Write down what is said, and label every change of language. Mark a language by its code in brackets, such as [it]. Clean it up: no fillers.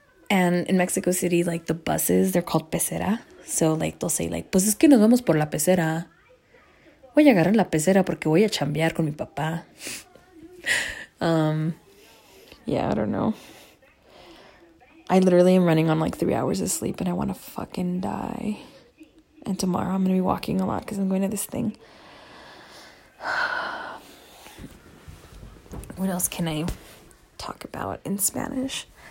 [en] And in Mexico City, like, the buses, they're called pecera. So, like, they'll say, like, [es] pues es que nos vamos por la pecera. Voy a agarrar la pecera porque voy a chambear con mi papá. [en] Yeah, I don't know. I literally am running on, like, 3 hours of sleep and I want to fucking die. And tomorrow I'm going to be walking a lot because I'm going to this thing. What else can I talk about in Spanish?